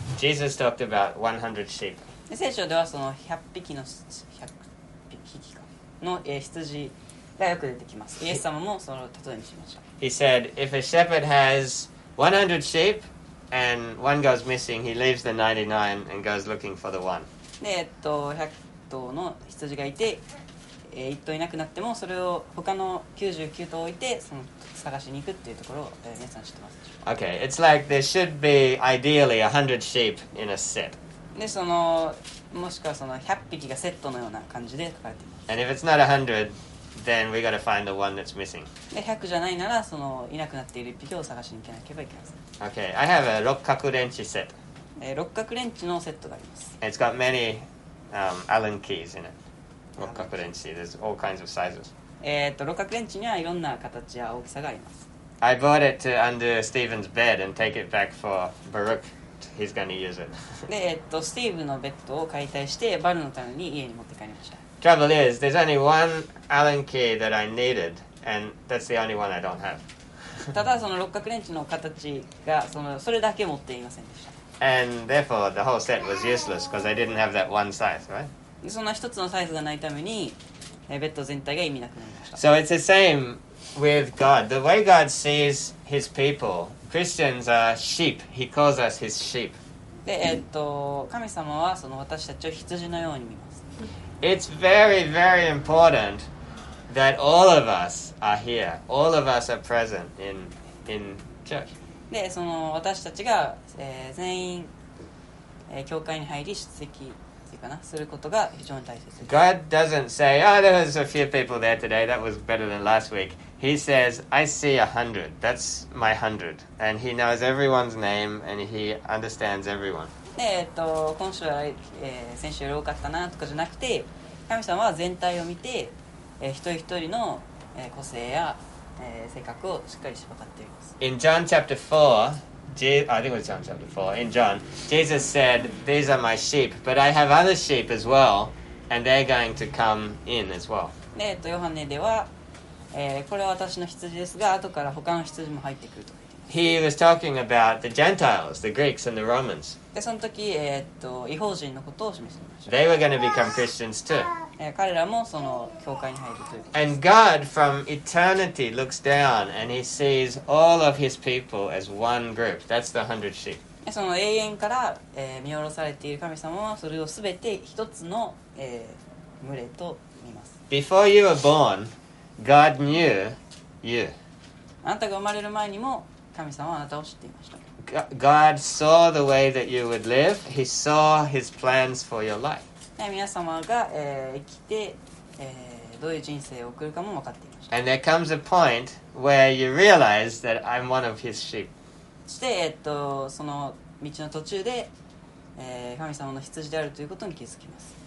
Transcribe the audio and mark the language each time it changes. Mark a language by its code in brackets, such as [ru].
[en] Jesus talked about 100 sheep. [ja] 聖書ではその100匹の100匹かの羊がよく出てきます。イエス様もその例えにしました。 [en] He said, if a shepherd has 100 sheep and one goes missing, he leaves the 99 and goes looking for the one. [ja] で、100頭の羊がいて、1頭いなくなってもそれを他の99頭置いてその探しに行くっていうところを皆さん知ってます。 [en] Okay, it's like there should be ideally 100 sheep in a set. [ja] で、その、もしくはその100匹がセットのような感じで書かれています。 [en] And if it's not 100, then we gotta find the one that's missing. [ja] で、100じゃないなら、その、いなくなっている1匹を探しに行けばいけません。 [en] Okay, I have a 六角レンチ set. [ja] 六角レンチのセットがあります。 [en] It's got many, Allen keys in it. 六角レンチ、there's all kinds of sizes. [ja] 六角レンチにはいろんな形や大きさがあります。 [en] I bought it to under Stephen's bed and take it back for Baruch. He's going to use it. [ja] で、スティーブのベッドを解体してバルのために家に持って帰りました。 [en] Trouble is, there's only one Allen key that I needed, and that's the only one I don't have. [ja] ただその六角レンチの形がそれだけ持っていませんでした。 [en] And therefore, the whole set was useless because I didn't have that one size, right? [ja] その一つのサイズがないために、ベッド全体が意味なくなりました。 [en] So it's the same. With God, the way God sees His people, Christians are sheep. He calls us His sheep. [ja] で、神様はその私たちを羊のように見ます。 [en] It's very, very important that all of us are here. All of us are present in church. [ja] で、その私たちが、全員、教会に入り出席。 [en] God doesn't say, oh, there was a few people there today, that was better than last week. He says, I see 100, that's my 100. And he knows everyone's name and he understands everyone. [ja] 今週は、先週より多かったなとかじゃなくて、神様は全体を見て、一人一人の、個性や、性格をしっかりしばかっています。 [en] In John chapter 4,I think it was John chapter 4. In John, Jesus said, These are my sheep, but I have other sheep as well, and they're going to come in as well. [ja] で、ヨハネでは、これは私の羊ですが、後から他の羊も入ってくると言っています [en] He was talking about the Gentiles, the Greeks and the Romans. [ja] で、その時、異邦人のことを示していました。 [en] They were going to become Christians too. [ja] 彼らもその教会に入るということです。 [en] And God from eternity looks down and he sees all of his people as one group. That's the 100 sheep. [ja] その永遠から、見下ろされている神様はそれをすべて一つの、群れと見ます。 [en] Before you were born, God knew you. [ja] あなたが生まれる前にも神様はあなたを知っていました。 [en] God saw the way that you would live. He saw his plans for your life. [ja] で皆様が、生きて、どういう人生を送るかも分かっていました。 [en] And there comes a point where you realize that I'm one of his sheep. [ja] そして、その道の途中で、神様の羊であるということに気づきます。